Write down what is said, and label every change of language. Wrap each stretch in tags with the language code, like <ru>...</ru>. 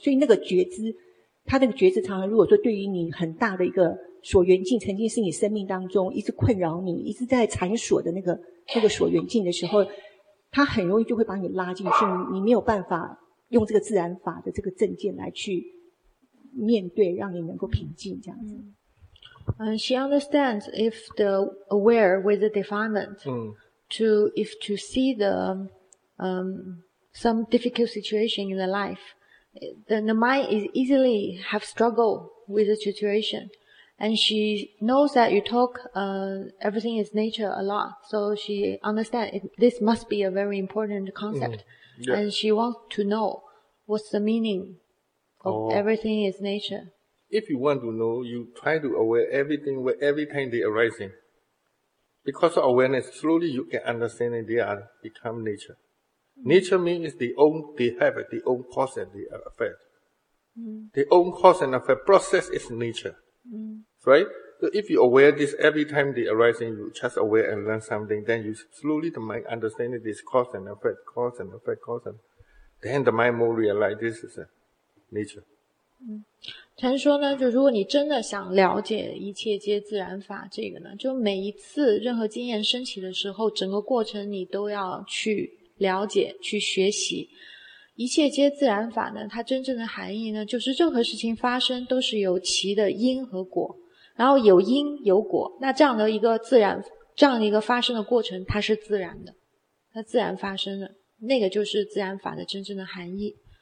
<zh>所以那个觉知，它那个觉知常常如果说对于你很大的一个所缘境曾经是你生命当中一直困扰你一直在缠锁的那个所缘境的时候，它很容易就会把你拉进去，你没有办法用这个自然法的这个证件来去面对，让你能够平静这样子。</zh> <en>She understands if the aware with the defilement to see the some difficult situation in the life, then the mind is easily have struggle with the situationAnd she knows that you talk, everything is nature a lot. So she understands this must be a very important concept. Mm-hmm. Yeah. And she wants to know what's the meaning of everything is nature. If you want to know, you try to aware everything where every time they are arising. Because of awareness, slowly you can understand that they are become nature. Mm-hmm. Nature means they own cause and their effect. Mm-hmm. Their own cause and effect process is nature. Mm. Right? So if you aware this every time they arise and you just aware and learn something, then you slowly the mind understand that this cause and effect, cause and effect, cause and effect. Then the mind more realize this is a nature.</en> <zh>禅说呢，就如果你真的想了解一切皆自然法这个呢，就每一次任何经验升起的时候，整个过程你都要去了解，去学习。一切皆自然法呢，它真正的含义呢，就是任何事情发生都是有其的因和果，然后有因有果，那这样的一个自然，这样的一个发生的过程，它是自然的，它自然发生的，那个就是自然法的真正的含义。</zh>